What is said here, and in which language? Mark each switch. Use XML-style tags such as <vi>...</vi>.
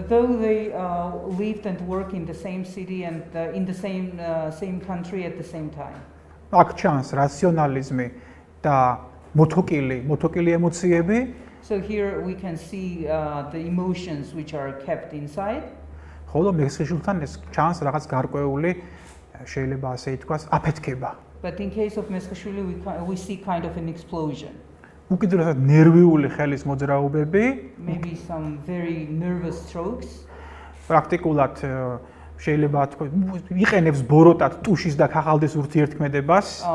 <en>Though they lived and worked in the same city and in the same country at the same time.</en> <ka>Так ჩანს რაციონალიზმი და მოთოკილი ემოციები.</ka> <en>So here we can see the emotions which are kept inside.</en> <ka>ხოლო მესხიშვილთან ეს ჩანს რაღაც გარკვეული შეიძლება ასე ითქვას აფეთქება.</ka> <en>But in case of Meskhishvili we see kind of an explosion.</en> <ka>უკიდურესად ნერვიული ხელის მოძრაობები.</ka> <en>Maybe some very nervous strokes.</en> <ka>პრაქტიკულად შეიძლება თქვა იყენებს ბოროტად ტუშის და ქაღალდის ურთიერთქმედებას.</ka>